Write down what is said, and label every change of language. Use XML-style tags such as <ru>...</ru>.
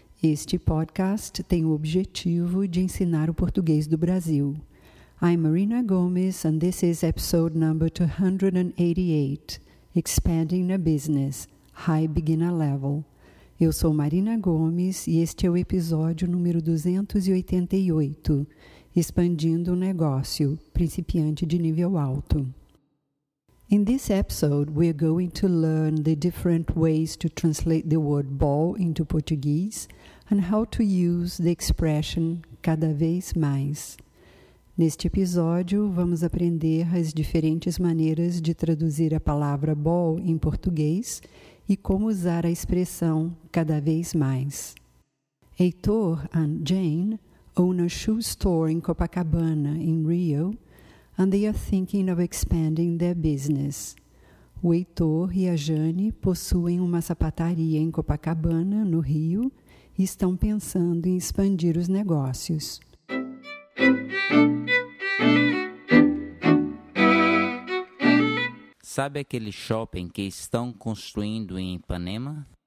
<pt>Este podcast tem o objetivo de ensinar o português do Brasil.</pt> <en>I'm Marina Gomes and this is episode number 288, Expanding a Business, High Beginner Level.</en> <pt>Eu sou Marina Gomes e este é o episódio número 288, Expandindo o Negócio, Principiante de Nível Alto.</pt> <en>In this episode, we are going to learn the different ways to translate the word ball into Portuguese and how to use the expression</en> <pt>cada vez mais. Neste episódio, vamos aprender as diferentes maneiras de traduzir a palavra ball em português e como usar a expressão cada vez mais.</pt> <en>Heitor and Jane own a shoe store in Copacabana, in Rio, and they are thinking of expanding their business.</en> <pt>O Heitor e a Jane possuem uma sapataria em Copacabana, no Rio, e estão pensando em expandir os negócios. Sabe aquele shopping que estão construindo em Ipanema?</pt>